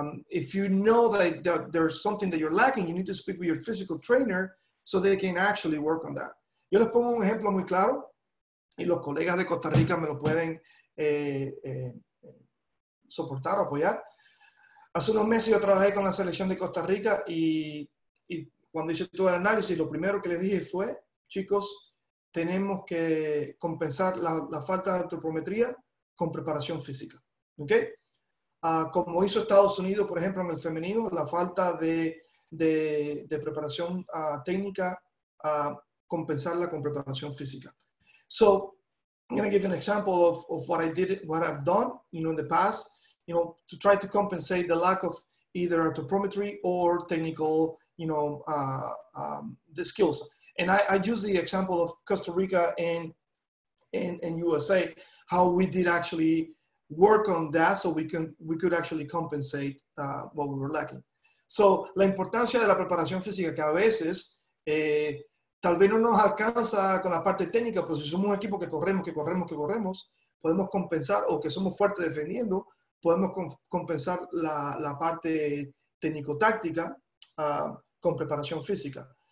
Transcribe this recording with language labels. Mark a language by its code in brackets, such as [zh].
[en] If you know that there's something that you're lacking, you need to speak with your physical trainer so they can actually work on that. [es] Yo les pongo un ejemplo muy claro, y los colegas de Costa Rica me lo pueden soportar o apoyar. Hace unos meses yo trabajé con la selección de Costa Rica y cuando hice todo el análisis, lo primero que les dije fue, chicos, tenemos que compensar la falta de antropometría con preparación física. ¿Ok? Como hizo Estados Unidos, por ejemplo, en el femenino, la falta de preparación técnica, compensarla con preparación física. [en] So, I'm going to give an example of what I did, what I've done, you know, in the past, you know, to try to compensate the lack of either anthropometry or technical, you know, the skills. And I use the example of Costa Rica and USA, how we did actually work on that so we could actually compensate what we were lacking. [es] So la importancia de la preparación física, que a veces tal vez no nos alcanza con la parte técnica, pero si somos un equipo que corremos, podemos compensar, o que somos fuertes defendiendo, podemos compensar la parte técnico-táctica con preparación física.